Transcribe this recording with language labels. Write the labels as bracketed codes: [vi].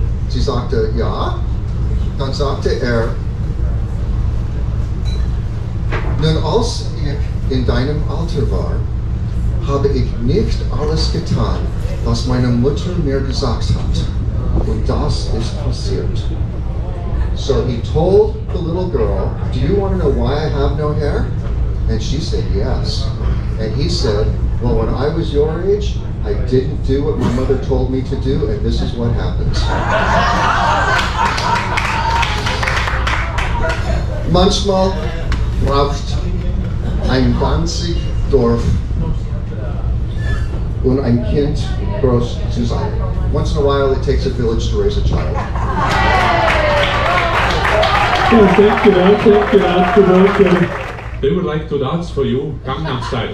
[de] Sie sagte, ja. Dann sagte er, nun, als ich in deinem Alter war, habe ich nicht alles getan, was meine Mutter mir gesagt hat. Und das ist passiert. [en] So he told the little girl, do you want to know why I have no hair? And she said, yes. And he said, well, when I was your age, I didn't do what my mother told me to do, and this is what happens. [de] Manchmal braucht ein ganzes Dorf und ein Kind groß zu sein. [en] once in a while it takes a village to raise a child. They would like to dance for you, Gangnam Style.